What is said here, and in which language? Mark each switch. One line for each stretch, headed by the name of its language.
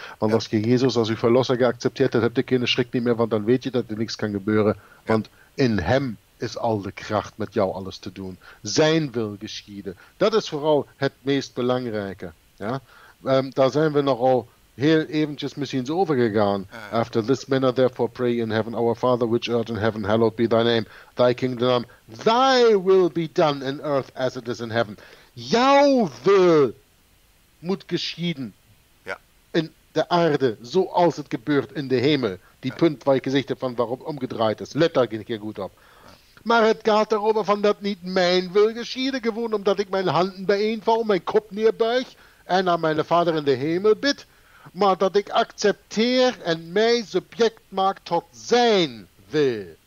Dutch: Want als je Jezus als uw verlosser geaccepteerd hebt, dan heb je geen schrik meer, want dan weet je dat er niks kan gebeuren. Ja. Want in hem is al de kracht met jou alles te doen. Zijn wil geschieden. Dat is vooral het meest belangrijke. Ja? Daar zijn we nogal heel eventjes misschien overgegaan.
English: After this manner therefore pray in heaven, our Father which art in heaven, hallowed be thy name, thy kingdom, thy will be done in earth as it is in heaven.
Dutch: Jouw wil moet geschieden in de aarde, zoals het gebeurt in de hemel. Die punt waar ik gezegd heb van waarom omgedraaid is. Let daar geen keer goed op. Ja. Maar het gaat erover van dat niet mijn wil geschieden, gewoon omdat ik mijn handen bijeenvouw, mijn kop neerbuig en aan mijn Vader in de hemel bid, maar dat ik accepteer en mij subject maak tot zijn wil.